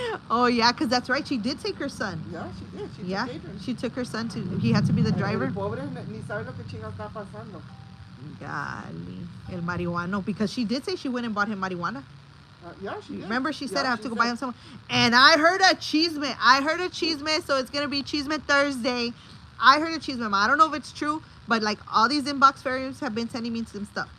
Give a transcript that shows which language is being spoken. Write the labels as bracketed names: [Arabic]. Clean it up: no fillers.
[English] Oh, yeah, because that's right. She did take her son. Yeah, she did. She took Adrian. She took her son to, he had to be the driver. [Spanish] El pobre ni sabe lo que chinga está pasando. [English] Golly, [Spanish] el marihuana, [English] because she did say she went and bought him marijuana. Remember she said I have to go buy him someone. And I heard a chisme, so it's gonna be Chisme Thursday. I heard a chisme. I don't know if it's true, but like all these inbox fairies have been sending me some stuff.